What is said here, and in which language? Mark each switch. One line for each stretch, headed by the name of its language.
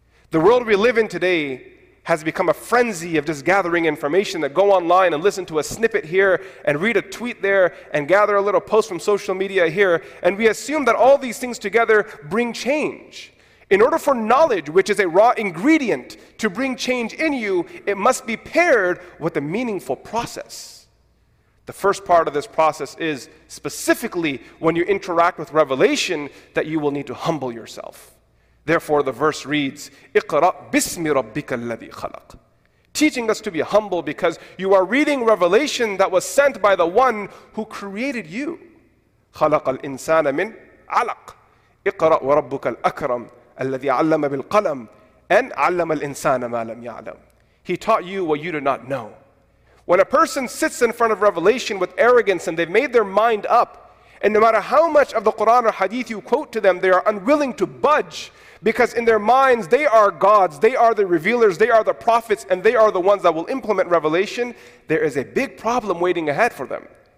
English: The world we live in today has become a frenzy of just gathering information, that go online and listen to a snippet here and read a tweet there and gather a little post from social media here, and we assume that all these things together bring change. In order for knowledge, which is a raw ingredient, to bring change in you, it must be paired with a meaningful process. The first part of this process is specifically when you interact with revelation that you will need to humble yourself. Therefore, the verse reads,
Arabic: اقرأ بسم ربك الذي خلق.
English: Teaching us to be humble, because you are reading revelation that was sent by the one who created you.
Arabic: خلق الإنسان من علق. اقرأ وربك الأكرم الذي علم بالقلم أن علم الإنسان ما لم يعلم.
English: He taught you what you did not know. When a person sits in front of revelation with arrogance and they've made their mind up, and no matter how much of the Quran or Hadith you quote to them, they are unwilling to budge, because in their minds they are gods, they are the revealers, they are the prophets, and they are the ones that will implement revelation, there is a big problem waiting ahead for them.